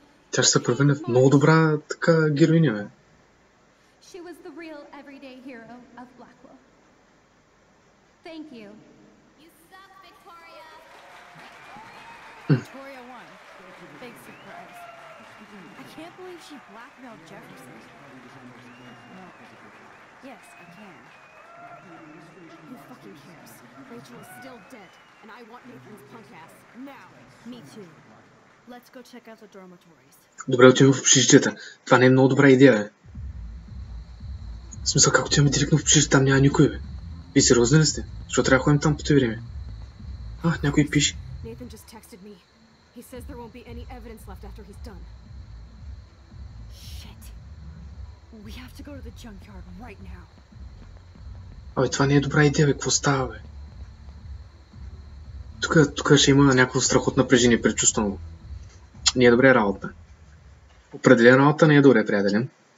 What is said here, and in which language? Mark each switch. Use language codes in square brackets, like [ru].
[bg] Тя ще се превърне в много добра така героиня, бе. [en] She was the real everyday hero of Blackwell. Thank you. You suck, Victoria. Victoria won. Big surprise. I can't believe she blackmailed Jefferson. No. Yes, I can. Who fucking cares? Rachel is still dead, and I want Nathan's punk ass now. Me too. Let's go check out the dormitories. [bg] Добре, отиваме в общежитията. Това не е много добра идея, бе. В смисъл, как отиваме директно в общежитието, там няма никой, бе. Вие сериозни ли сте? Защо трябва да ходим там по това време? А, някой пише. [en] Nathan just texted me. He says there won't be any evidence left after he's done. Shit. We have to go to the junkyard right now. [bg] Абе, това не е добра идея, бе. Какво става, бе? Тук ще има някакво страхотно напрежение, предчувствам го. Не е добре работа. Определена работа не е добре, приятели.